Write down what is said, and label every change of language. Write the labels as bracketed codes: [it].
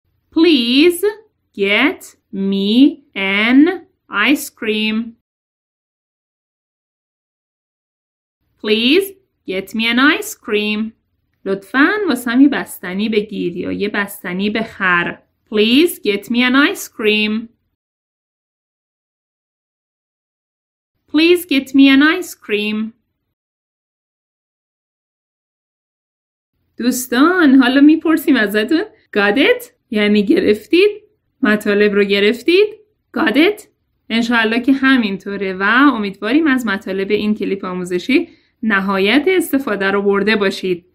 [en] Please get me an ice cream. Please get me an ice cream. [fa] لطفاً واسم یه بستنی بگیر یا یه بستنی بخر. [en] Please get me an ice cream. Please get me an ice cream. [fa] دوستان حالا میپرسیم ازتون [en] got it؟ [fa] یعنی گرفتید؟ مطالب رو گرفتید؟ got it؟ انشاءالله که همینطوره و امیدواریم از مطالب این کلیپ آموزشی نهایت استفاده رو برده باشید.